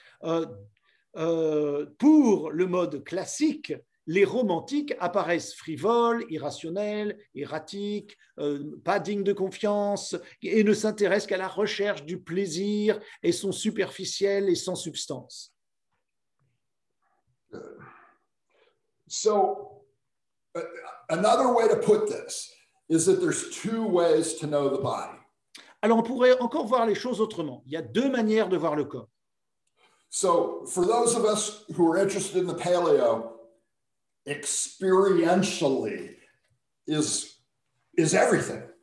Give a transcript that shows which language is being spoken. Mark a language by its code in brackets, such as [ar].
[fr] Pour le mode classique, les romantiques apparaissent frivoles, irrationnels, erratiques, pas dignes de confiance, et ne s'intéressent qu'à la recherche du plaisir, et sont superficiels et sans substance. [en] So, another way to put this is that there's two ways to know the body. [fr] Alors, on pourrait encore voir les choses autrement. Il y a deux manières de voir le corps. [en] So, for those of us who are interested in the paleo, experientially is everything.